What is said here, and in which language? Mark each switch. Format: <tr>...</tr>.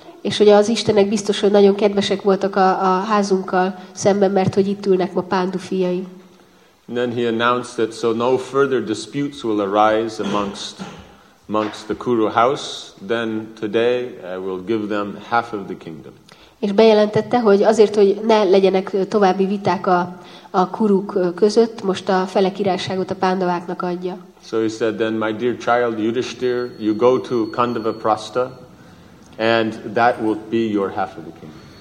<hu>És hogy az Istenek biztos, hogy nagyon kedvesek voltak a házunkkal szemben, mert hogy itt ülnek ma Pandu fiai.</hu> <en>And then he announced that so no further disputes will arise amongst the Kuru house, then today I will give them half of the kingdom.</en> <hu>És bejelentette, hogy azért, hogy ne legyenek további viták a Kuruk között, most a fele királyságot a Pándaváknak adja.</hu> <en>So he said, then my dear child Yudhishthir, you go to Kandava Prastha, and that will be your half of the kingdom.</en>